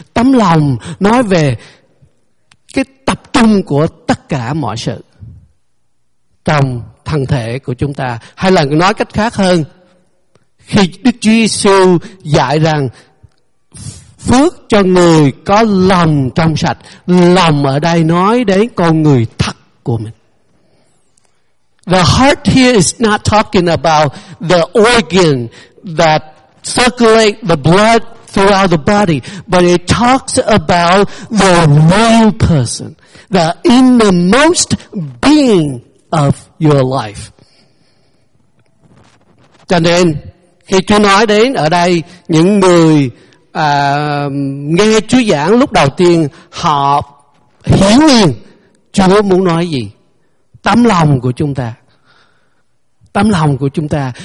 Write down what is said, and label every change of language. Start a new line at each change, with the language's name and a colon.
Vietnamese: Tấm lòng nói về cái tập trung của tất cả mọi sự trong thân thể của chúng ta. Hay là nói cách khác hơn, khi Đức Chúa Giêsu dạy rằng phước cho người có lòng trong sạch, lòng ở đây nói đến con người thật của mình.
English: The heart here is not talking about the organ that circulates the blood throughout the body, but it talks about the real person, the innermost being of your life.
Vietnamese: Cho nên khi Chúa nói đến ở đây những người nghe Chúa giảng lúc đầu tiên, họ hiểu liền Chúa muốn nói gì. Tấm lòng của chúng ta, tấm lòng của chúng ta.